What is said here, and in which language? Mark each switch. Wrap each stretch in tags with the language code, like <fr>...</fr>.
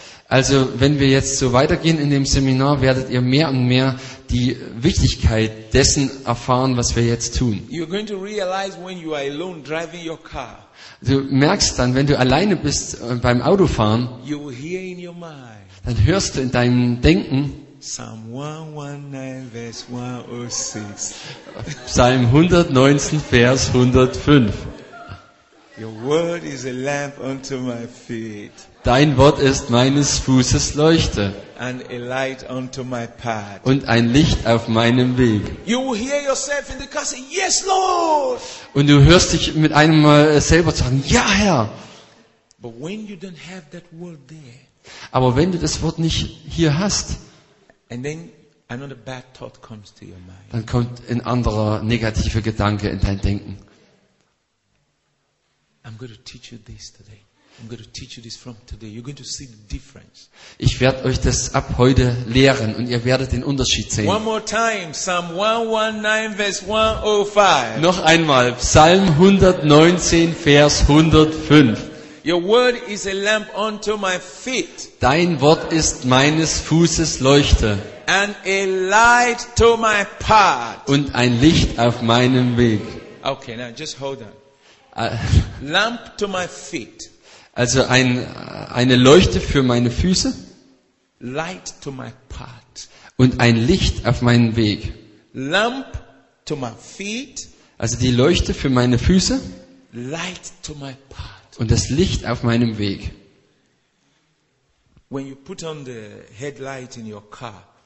<de>Also, wenn wir jetzt so weitergehen in dem Seminar, werdet ihr mehr und mehr die Wichtigkeit dessen erfahren, was wir jetzt tun.</de> <en>You're going to realize when you are alone driving your car.</en> <de>Du merkst dann, wenn du alleine bist beim Autofahren,</de> <en>you will hear in your mind.</en> <de>Dann hörst du in deinem Denken. Psalm 119, Vers 106. Psalm 119, Vers 105.</de> <en>Your word is a lamp unto my feet.</en> <de>Dein Wort ist meines Fußes Leuchte.</de> <en>And a light unto my path.</en> <de>Und ein Licht auf meinem Weg.</de> <en>You will hear yourself in the car say, yes, Lord!</en> <de>Und du hörst dich mit einem Mal selber sagen, ja, Herr.</de> <en>But when you don't have that word there,</en> <de>Aber wenn du das Wort nicht hier hast,</de> <en>and then another bad thought comes to your mind.</en> <de>Dann kommt ein anderer negativer Gedanke in dein Denken.</de> <en>I'm going to teach you this today. I'm going to teach you this from today. You're going to see the difference.</en> <de>Ich werde euch das ab heute lehren und ihr werdet den Unterschied sehen.</de> <en>One more time, Psalm 119 verse 105.</en> <de>Noch einmal Psalm 119 Vers 105.</de> <en>Your word is a lamp unto my feet.</en> <de>Dein Wort ist meines Fußes Leuchte.</de> <en>And a light to my path.</en> <de>Und ein Licht auf meinem Weg.</de> <en>Okay, now just hold on. Lamp to my feet.</en> <de>Also eine Leuchte für meine Füße.</de> <en>Light to my path.</en> <de>Und ein Licht auf meinen Weg.</de> <en>Lamp to my feet.</en> <de>Also die Leuchte für meine Füße.</de> <en>Light to my path.</en> <de>Und das Licht auf meinem Weg.</de> <en>When you put on the headlight in your car.</en>